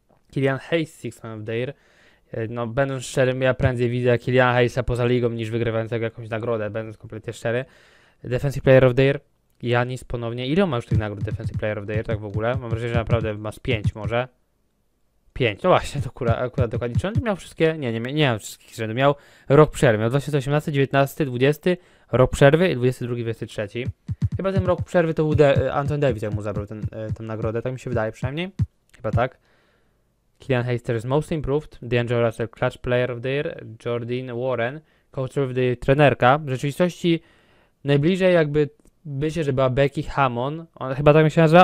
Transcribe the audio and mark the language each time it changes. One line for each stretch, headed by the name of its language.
English: Kilian Hayes Six Man of the Year.
Polish: No, będąc szczerym, ja prędzej widzę Kiliana Hayesa poza ligą niż wygrywającego jakąś nagrodę, będąc kompletnie szczery.
English: Defensive Player of the Year.
Polish: Janis ponownie. Ile on ma już tych nagród Defensive Player of the Year tak w ogóle? Mam wrażenie, że naprawdę masz 5 może. 5, no właśnie, to akurat dokładnie. Czy on miał wszystkie? Nie miał wszystkich rzędów. Miał rok przerwy. Miał 2018, 19, 20, rok przerwy i 22, 23. Chyba ten rok przerwy to był Anthony Davis, jak mu zabrał tę nagrodę. Tak mi się wydaje przynajmniej. Chyba tak.
English: Kilian Hayes is most improved. D'Angelo Russell, clutch player of the year. Jordyn Warren, coach of the year.
Polish: Trenerka. W rzeczywistości najbliżej jakby by się, że była Becky Hammon. Ona, chyba tak mi się nazywa.